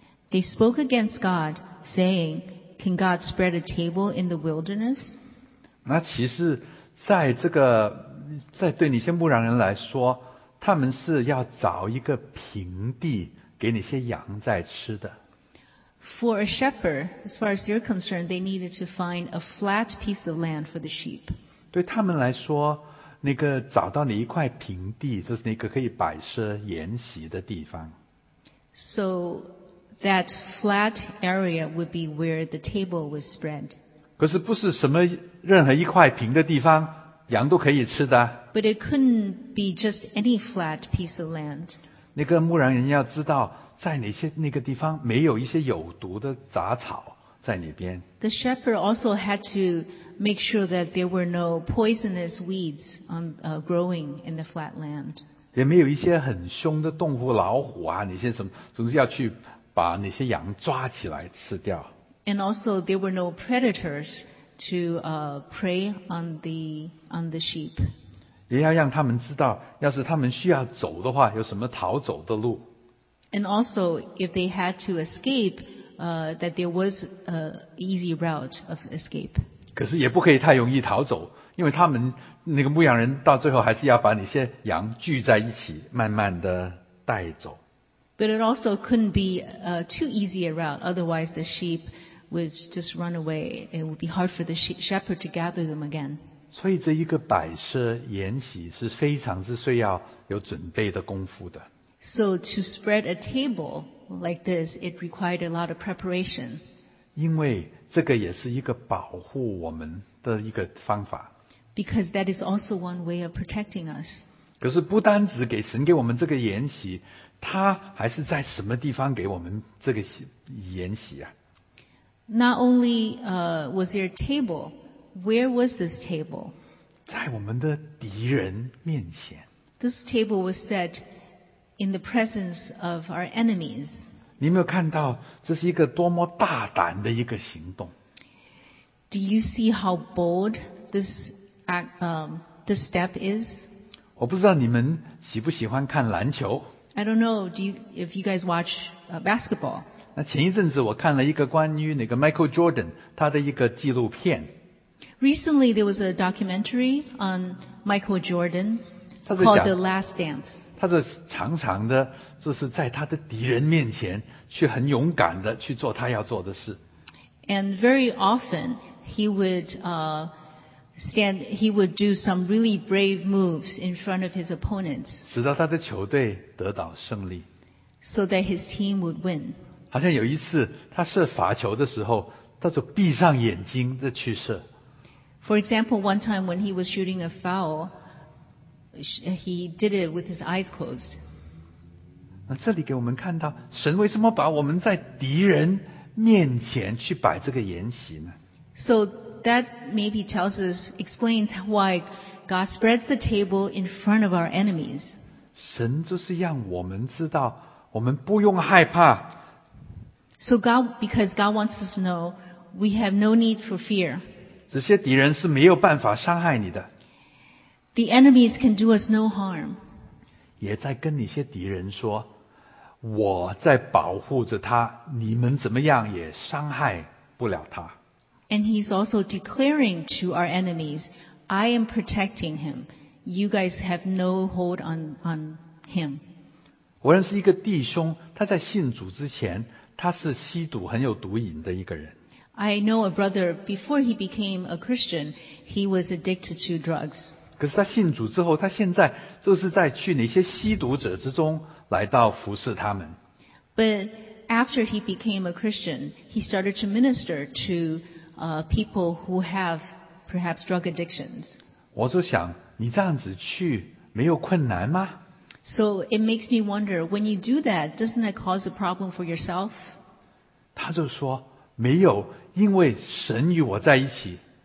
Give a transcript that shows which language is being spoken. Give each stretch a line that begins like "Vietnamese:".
English: They spoke against God, saying, Can God spread a table in the wilderness?
Chinese: 那其实在这个，在对那些牧羊人来说，他们是要找一个平地给那些羊在吃的。
English: For a shepherd, as far as they're concerned, they needed to find a flat piece of land for the sheep.
Chinese: 对他们来说，那个找到你一块平地，就是那个可以摆设筵席的地方。
English: So that flat area would be where the table was spread.
Chinese: 可是不是什么任何一块平的地方，羊都可以吃的。
English: But it couldn't be just any flat piece of land.
Chinese: 那个牧羊人要知道。在哪些那个地方没有一些有毒的杂草在那边
English: ？The shepherd also had to make sure that there were no poisonous weeds on growing in the flat land.
Chinese: 也没有一些很凶的动物，老虎啊，那些什么，总是要去把那些羊抓起来吃掉。
English: And also there were no predators to prey on the sheep.
Chinese: 也要让他们知道，要是他们需要走的话，有什么逃走的路。
English: And also, if they had to escape, that there was an easy route of escape.
Chinese: 可是也不可以太容易逃走，因为他们那个牧羊人到最后还是要把那些羊聚在一起，慢慢的带走。
English: But it also couldn't be too easy a route, otherwise the sheep would just run away, it would be hard for the shepherd to gather them again.
Chinese: 所以这一个摆设筵席是非常之需要有准备的功夫的。
English: So to spread a table like this, it required a lot of preparation.
Chinese: 因为这个也是一个保护我们的一个方法。
English: Because that is also one way of protecting us.
Chinese: 可是不单只给神给我们这个筵席，他还是在什么地方给我们这个筵席啊？
English: Not only was there a table, where was this table?
Chinese: 在我们的敌人面前。
English: This table was set in the presence of our enemies.
Chinese: 你有没有看到这是一个多么大胆的一个行动？
English: Do you see how bold this act, this step is?
Chinese: 我不知道你们喜不喜欢看篮球。
English: I don't know if you guys watch basketball.
Chinese: 那前一阵子我看了一个关于那个 Michael Jordan 他的一个纪录片。
English: Recently there was a documentary on Michael Jordan called The Last Dance.
Chinese: 他是常常的就是在他的敌人面前去很勇敢的去做他要做的事。
English: And very often he would do some really brave moves in front of his opponents.
Chinese: 直到他的球队得到胜利。
English: So that his team would win.
Chinese: 好像有一次他射罚球的时候，他就闭上眼睛的去射。
English: For example, one time when he was shooting a foul, he did it with his eyes closed.
Chinese: 那这里给我们看到，神为什么把我们在敌人面前去摆这个筵席呢？
English: So,That maybe tells us, explains why God spreads the table in front of our enemies.
Chinese: 神就是让我们知道，我们不用害怕。
English: So God, because God wants us to know, we have no need for fear.
Chinese: 这些敌人是没有办法伤害你的。
English: The enemies can do us no harm.
Chinese: 也在跟那些敌人说，我在保护着他，你们怎么样也伤害不了他。
English: And he's also declaring to our enemies, I am protecting him. You guys have no hold on him.
Chinese: 我认识一个弟兄，他在信主之前，他是吸毒很有毒瘾的一个人。
English: I know a brother, before he became a Christian, he was addicted to drugs.
Chinese: 可是他信主之后，他现在就是在去那些吸毒者之中来到服侍他们。
English: But after he became a Christian, he started to minister to people who have perhaps drug addictions.
Chinese: 我就想，你这样子去，没有困难吗？
English: So it makes me wonder, when you do that, doesn't that cause a problem for yourself?
Chinese: 他就说，没有，因为神与我在一起。